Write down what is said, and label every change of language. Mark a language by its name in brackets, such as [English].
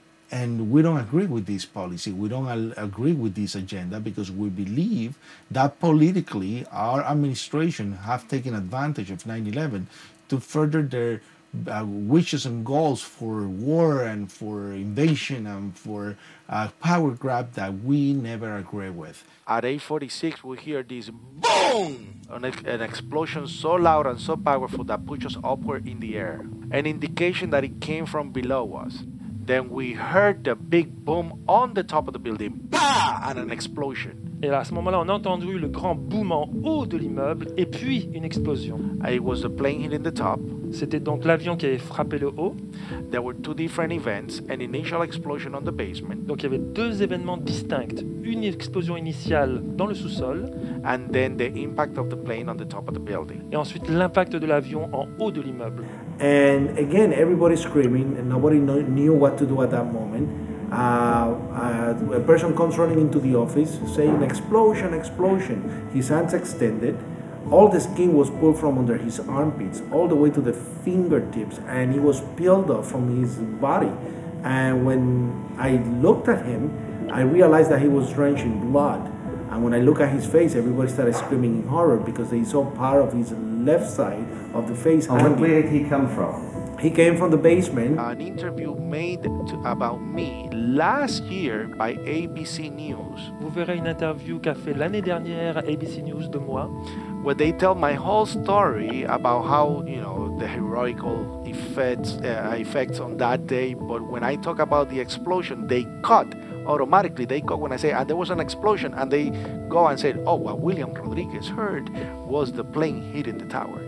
[English] And we don't agree with this policy. We don't agree with this agenda because we believe that politically our administration have taken advantage of 9/11 to further their wishes and goals for war and for invasion and for power grab that we never agree with. At 8:46, we hear this boom! An explosion so loud and so powerful that puts us upward in the air. An indication that it came from below us. Then we heard the big boom on the top of the building. Bah! And an explosion. [French] Et à ce moment-là, on a entendu le grand boom en haut de l'immeuble et puis une explosion. [English] It was a plane hitting the top. [French] C'était donc l'avion qui avait frappé le haut. [English] There were two different events, an initial explosion on the basement. [French] Donc il y avait deux événements distincts. Une explosion initiale dans le sous-sol. [English] And then the impact of the plane on the top of the building. [French] Et ensuite l'impact de l'avion en haut de l'immeuble. [English] And again, everybody screaming and nobody knew what to do at that moment. A person comes running into the office saying, explosion, explosion. His hands extended. All the skin was pulled from under his armpits all the way to the fingertips, and he was peeled off from his body. And when I looked at him, I realized that he was drenched in blood. And when I look at his face, everybody started screaming in horror because they saw part of his left side of the face. And where did he come from? He came from the basement. An interview made about me last year by ABC News. [French] Vous verrez une interview qu'a fait l'année dernière ABC News de moi. [English] Where they tell my whole story about how, you know, the heroical effects on that day. But when I talk about the explosion, they cut. Automatically, they go when I say, there was an explosion, and they go and say, oh, what William Rodriguez heard was the plane hitting the tower.